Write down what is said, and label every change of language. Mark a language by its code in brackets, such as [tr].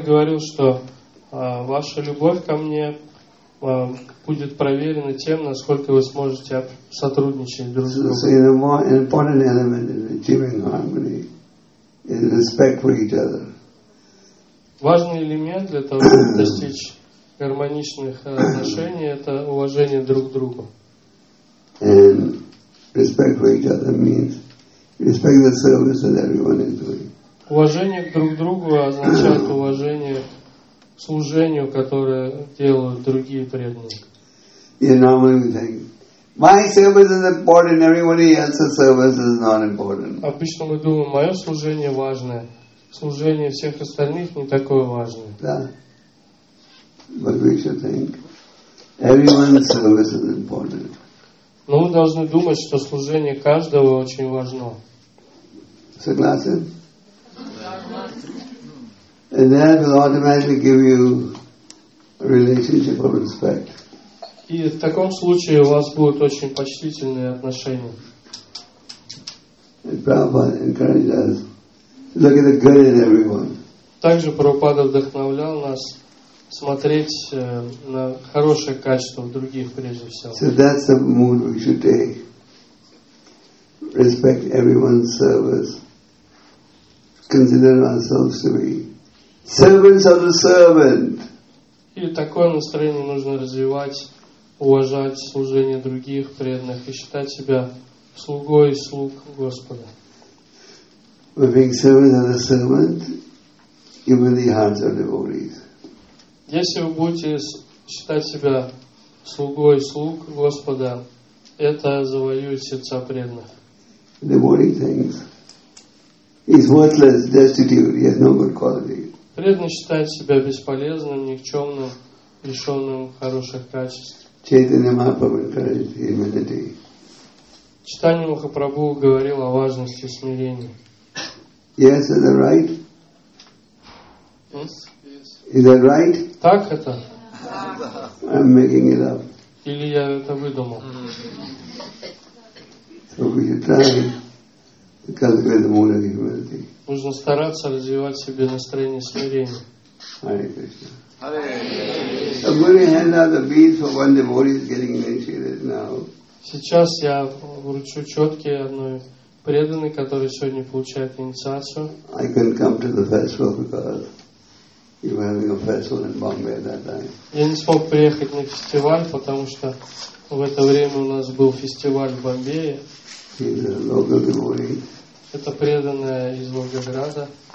[ru] говорил, что ваша любовь ко мне будет проверена тем, насколько вы сможете сотрудничать друг с другом. [en] The more important element in achieving harmony is respect for each other. [ru] Важный элемент для того, чтобы достичь гармоничных отношений, это уважение друг к другу. [en] And respect for each other means respect the service that everyone is doing. [ru] Уважение друг к другу означает уважение к служению, которое делают другие преданные. [en] Yeah, normally we think my service is important, everybody else's service is not important. [ru] Обычно мы думаем, мое служение важное, служение всех остальных не такое важное. Да. [en] But we should think everyone's service is important. [ru] Но мы должны думать, что служение каждого очень важно. Согласен? [en] And that will automatically give you a relationship of respect. [ru] И в таком случае у вас будут очень почтительные отношения. [en] And Prabhupada encouraged us look at the good in everyone. [ru] Также Прабхупада вдохновлял нас смотреть на хорошее качество в других прежде всего. [en] So that's the mood we should take. Respect everyone's service. Consider ourselves to be servants of the servant. [ru] И такое настроение нужно развивать, уважать служение других преданных и считать себя слугой слуг Господа. [en] By being servant of the servant, you win the hearts of devotees. [ru] Если вы будете считать себя слугой слуг Господа, это завоюет сердца преданных. [en] Devotee thinks he's worthless, destitute, he has no good qualities. [ru] Преданный считает себя бесполезным, никчемным, лишенным хороших качеств. [en] Chaitanya Mahaprabhu encouraged humility. [ru] Читание Махапрабху говорил о важности смирения. [en] Yes, is that right? Yes. Is that right? [ru] Так это? [en] I'm making it up. [ru] Или я это выдумал? [en] So we should try to cultivate the mood of humility. [ru] Нужно стараться развивать в себе настроение смирения. [en] Hare Krishna. Hare Krishna. I'm going to hand out the beads for one devotee is getting initiated now. [ru] Сейчас я вручу четки одной преданной, которая сегодня получает инициацию. [en] I can come to the festival because you were having a festival in Bombay at that time. [ru] Я не смог приехать на фестиваль, потому что в это время у нас был фестиваль в Бомбее. [en] He's a local devotee. [ru] Это преданная из Волгограда.